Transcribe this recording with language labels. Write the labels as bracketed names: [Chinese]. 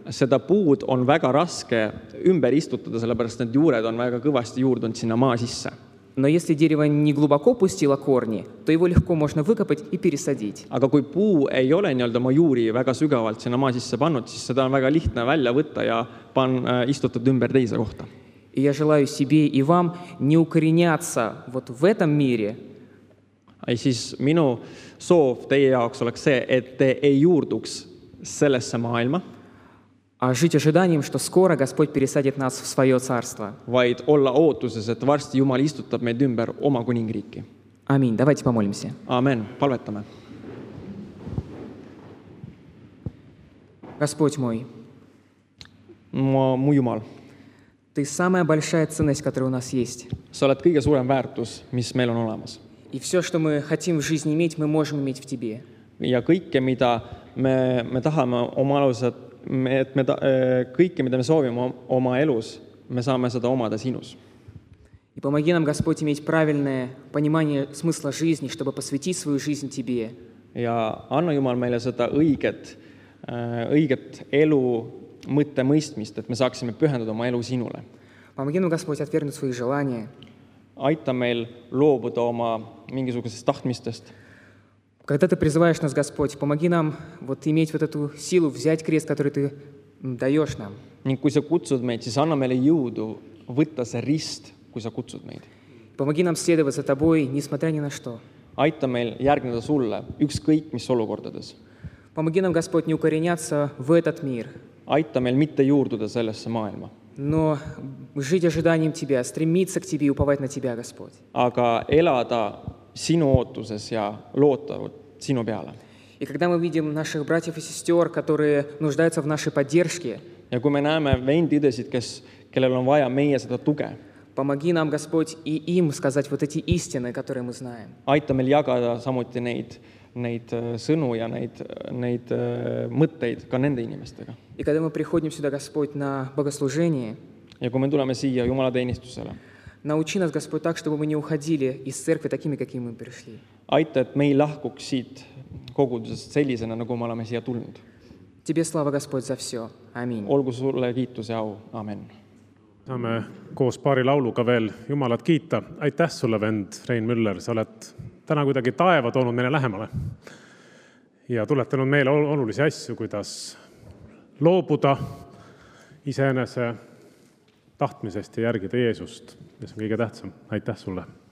[Estonian] Seda puud on väga raske ümber istutada, sellepärast need juured on väga kõvasti juurdunud sinna maa sisse. [Russian] Но если дерево не глубоко пустило корни, то его легко можно выкопать и пересадить. [Estonian] Aga kui puu ei ole nii-öelda oma juuri väga sügavalt sinna maa sisse pannud, siis seda on väga lihtne välja võtta ja istutada ümber teise kohta. [Russian] И я желаю себе и вам не укореняться вот в этом мире. [Estonian] Ja siis minu soov teie jaoks oleks see, et te ei juurduks sellesse maailma. [Russian] А жить ожиданием, что скоро Господь пересадит нас в свое царство. [Estonian] Vaid olla ootuses, et varsti Jumal istutab meid ümber oma kuningriiki. [Russian] Аминь. Давайте помолимся. [Estonian] Аминь. Palvetame. [Russian] Господь мой. [Estonian] Mu Jumal. [Russian] Ты самая большая ценность, которая у нас есть. [Estonian] Sa oled kõige suurem väärtus, mis meil on olemas. [Russian] И все, что мы хотим в жизни иметь, мы можем иметь в Тебе. [Estonian] Ja kõike, mida me tahame oma aluselt, kõike, mida me soovime oma elus, me saame seda omada sinus. [Russian] И помоги нам, Господь, иметь правильное понимание смысла жизни, чтобы посвятить свою жизнь Тебе. [Estonian] Ja anna Jumal meile seda õiget elu mõtte mõistmist, et me saaksime pühendada oma elu sinule. [Russian] Помоги нам, Господь, отвернуть свои желания. [Estonian] Aita meil loobuda oma mingisugusest tahtmistest. [Russian] Когда ты призываешь нас, Господь, помоги нам вот иметь вот эту силу взять крест, который ты даешь нам. [Estonian] Ning kui sa kutsud meid, siis anna meile jõudu võtta see rist, kui sa kutsud meid. [Russian] Помоги нам следовать за тобой, несмотря ни на что. [Estonian] Aita meil järgneda sulle ükskõik, mis olukordades. [Russian] Помоги нам, Господь, не укореняться в этот мир. [Estonian] Aita meil mitte juurduda sellesse maailma. [Russian] Но жить ожиданием Тебя, стремиться к Тебе и уповать на Тебя, Господь. [Estonian] Aga elada sinu ootuses ja loota sinu peale. [Russian] И когда мы видим наших братьев и сестер, которые нуждаются в нашей поддержке, [Estonian] ja kui me näeme vendidesid, kellel on vaja meie seda tuge, [Russian] помоги нам, Господь, и им сказать вот эти истины, которые мы знаем. [Estonian] Aita meil jagada samuti neid sõnu ja neid mõtteid ka nende inimestega. [Russian] И когда мы приходим сюда, Господь, на богослужение, [Estonian] ja kui me tuleme siia Jumala teenistusele, [Russian] научи нас, Господь, так, чтобы мы не уходили из церкви такими, какими мы пришли. [Estonian] Aita, et me ei lahkuks siit kogudusest sellisena, nagu me oleme siia tulnud. [Russian] Тебе слава, Господь, за все. Аминь. [Estonian] Olgu sulle kiitus ja au. Amen. Saame koos paari lauluga veel Jumalat kiita. Aitäh sulle, vend Rein Müller. Sa oled täna kuidagi taeva toonud meile lähemale ja tuletanud meile olulisi asju, kuidas loobuda iseenese tahtmisest ja järgida Jeesust. Ja see on kõige tähtsam. Aitäh sulle.